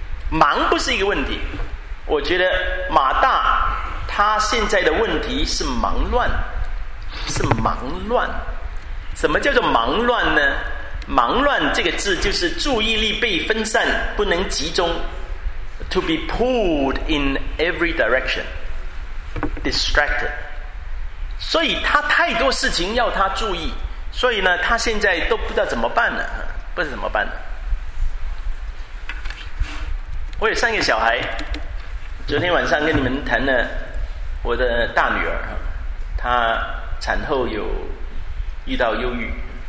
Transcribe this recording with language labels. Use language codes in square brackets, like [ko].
[zh] 忙不是一个问题，我觉得马大他现在的问题是忙乱，是忙乱。什么叫做忙乱呢？忙乱这个字就是注意力被分散，不能集中。 [en] To be pulled in every direction, distracted. [zh] 所以他太多事情要他注意，所以呢他现在都不知道怎么办了，不知道怎么办了。我有三个小孩，昨天晚上跟你们谈了我的大女儿，她产后有遇到忧郁。